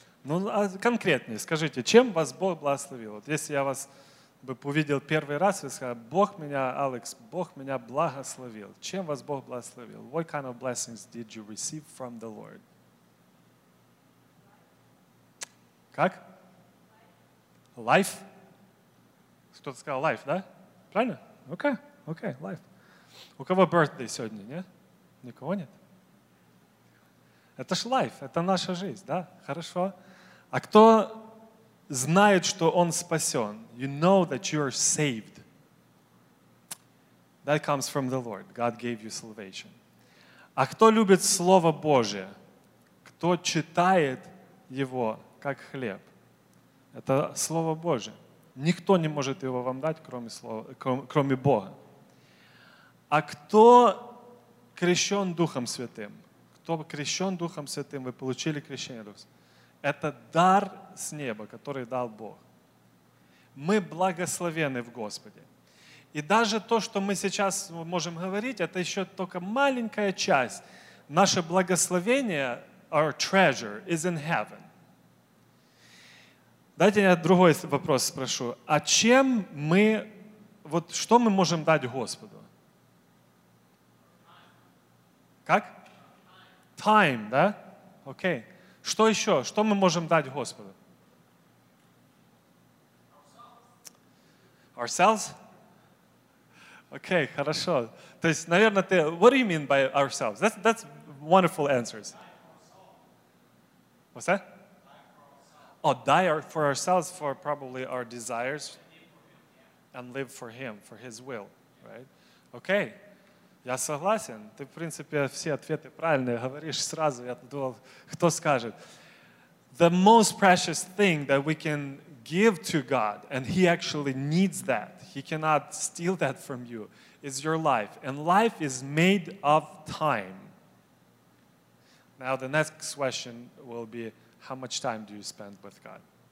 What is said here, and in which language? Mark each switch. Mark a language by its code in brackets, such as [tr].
[ru] Ну, а конкретнее, скажите, чем вас Бог благословил? Вот если я вас бы увидел первый раз, вы сказали, Бог меня, Алекс, Бог меня благословил. Чем вас Бог благословил? [en] What kind of blessings did you receive from the Lord? [ru] Как? Life? Кто-то сказал life, да? Правильно? Okay, life. У кого birthday сегодня, нет? Никого нет? Это ж life, это наша жизнь, да? Хорошо. А кто знает, что он спасен? [en] You know that you are saved. That comes from the Lord. God gave you salvation. [ru] А кто любит Слово Божие? Кто читает его как хлеб? Это Слово Божие. Никто не может его вам дать, кроме Бога. А кто крещен Духом Святым? Кто крещен Духом Святым, вы получили крещение Духа Святого. Это дар с неба, который дал Бог. Мы благословены в Господе. И даже то, что мы сейчас можем говорить, это еще только маленькая часть. Наше благословение, [en] our treasure, is in heaven. [ru] Дайте я другой вопрос спрошу. А чем мы, вот что мы можем дать Господу? Как? Time, да? Окей. Okay. Что еще? Что мы можем дать Господу? [en] Ourselves? [ru] Окей, okay, хорошо. То есть, наверное, ты... [en] What do you mean by ourselves? That's wonderful answers. What's that? Oh, die for ourselves, for probably our desires, and live for Him, for His will, right? [ru] Окей. Okay. Я согласен. Ты, в принципе, все ответы правильные говоришь сразу. Я думал, кто скажет. [en] The most precious thing that we can give to God, and He actually needs that, He cannot steal that from you, is your life. And life is made of time. Now, the next question will be, how much time do you spend with God?